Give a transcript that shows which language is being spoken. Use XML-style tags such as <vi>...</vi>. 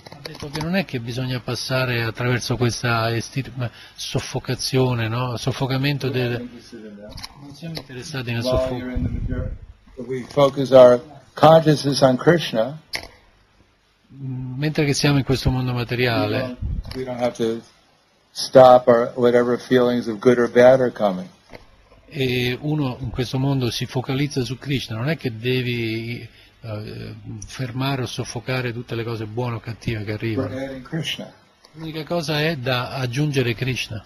<it>Ha detto che non è che bisogna passare attraverso questa soffocazione, no? Soffocamento del. Non siamo interessati nel soffocamento.</it> <en>We focus our consciousness on Krishna.</en> <it>Mentre che siamo in questo mondo materiale,</it> <en>we don't have to stop our whatever feelings of good or bad are coming.</en> <it>E uno in questo mondo si focalizza su Krishna, non è che devi fermare o soffocare tutte le cose buone o cattive che arrivano. L'unica cosa è da aggiungere Krishna.</it>